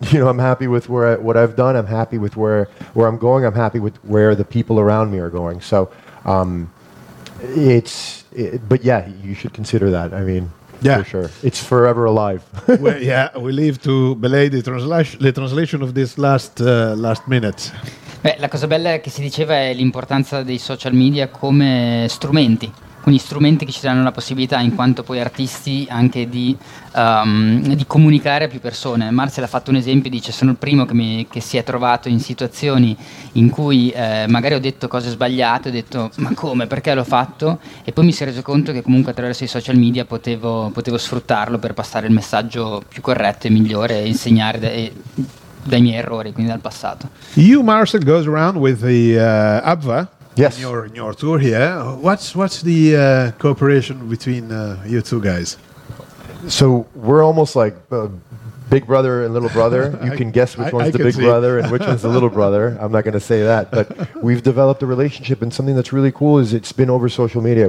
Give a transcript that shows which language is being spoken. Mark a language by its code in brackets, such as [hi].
[en] You know, I'm happy with what I've done. I'm happy with where I'm going. I'm happy with where the people around me are going. So, but yeah, you should consider that. I mean, yeah, for sure, it's forever alive. Well, yeah, we leave to Belay the translation of this last minute. [it] Beh, la cosa bella che si diceva è l'importanza dei social media come strumenti. Quindi strumenti che ci danno la possibilità, in quanto poi artisti, anche di comunicare a più persone. Marcel ha fatto un esempio, dice: sono il primo che si è trovato in situazioni in cui magari ho detto cose sbagliate, ho detto ma come, perché l'ho fatto, e poi mi si è reso conto che comunque attraverso i social media potevo sfruttarlo per passare il messaggio più corretto e migliore e insegnare dai miei errori, quindi dal passato. [en] You, Marcel, goes around with the Abva. Yes. In your tour here, what's the cooperation between you two guys? So we're almost like big brother and little brother. You can guess which one's the big brother and which one's the little brother. I'm not going to say that, but we've developed a relationship, and something that's really cool is it's been over social media.